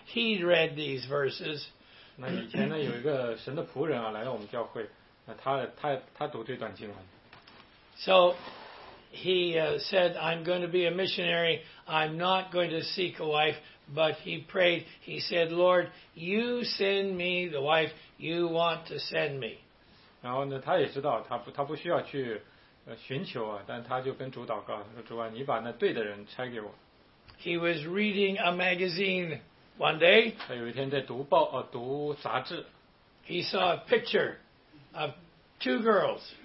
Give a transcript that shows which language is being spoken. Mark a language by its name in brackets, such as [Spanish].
[English] He'd read these verses. [Chinese] 那以前呢，有一个神的仆人啊，来到我们教会，那他读这段经文。 [English] So he said, "I'm going to be a missionary. I'm not going to seek a wife." But he prayed. He said, "Lord, you send me the wife you want to send me." [Chinese] 然后呢，他也知道他不需要去寻求啊，但他就跟主祷告，说主啊，你把那对的人拆给我。 [English] He was reading a magazine one day. [Chinese] 他有一天在读报读杂志。 [English] He saw a picture of two girls.